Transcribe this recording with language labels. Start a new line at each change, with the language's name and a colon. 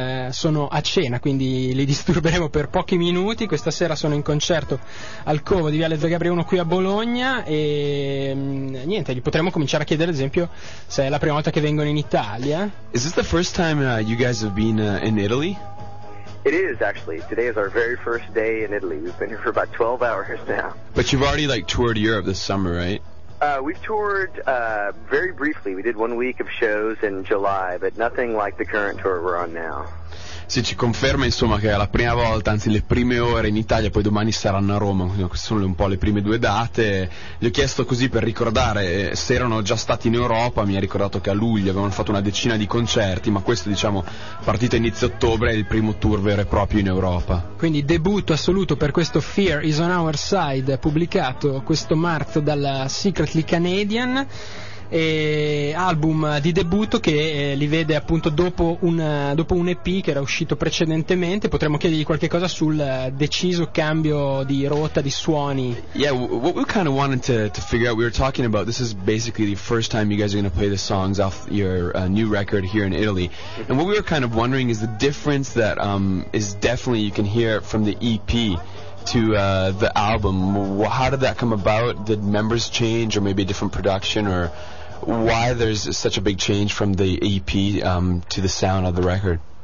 Italian: Sono a cena, quindi li disturberemo per pochi minuti. Questa sera sono in concerto al Covo di Viale Zio Gabriele 1 qui a Bologna. E niente, gli potremmo cominciare a chiedere, ad esempio, se è la prima volta che vengono in Italia.
English: Is this the first time you guys have been in Italy? It is, actually. Today is our very first day in Italy. We've been here for about 12 hours now. But you've already like toured Europe this summer, right? We've toured very briefly. We did 1 week of shows in July, but nothing like the current tour we're on now.
Italian: Sì, ci conferma insomma che è la prima volta, anzi le prime ore in Italia, poi domani saranno a Roma, queste sono un po' le prime due date. Gli ho chiesto così per ricordare se erano già stati in Europa, mi ha ricordato che a luglio avevano fatto una decina di concerti, ma questo diciamo partito inizio ottobre è il primo tour vero e proprio in Europa. Quindi debutto assoluto per questo Fear is on Our Side, pubblicato questo marzo dalla Secretly Canadian. E album di debutto che li vede appunto dopo un EP che era uscito precedentemente. Potremmo chiedergli qualche cosa sul deciso cambio di rotta, di suoni.
English: Yeah, what we kind of wanted to figure out, we were talking about, this is basically the first time you guys are going to play the songs off your new record here in Italy. And what we were kind of wondering is the difference that is definitely you can hear from the EP to the album. How did that come about? Did members change, or maybe a different production, or why there's such a big change from the EP to the sound of the record?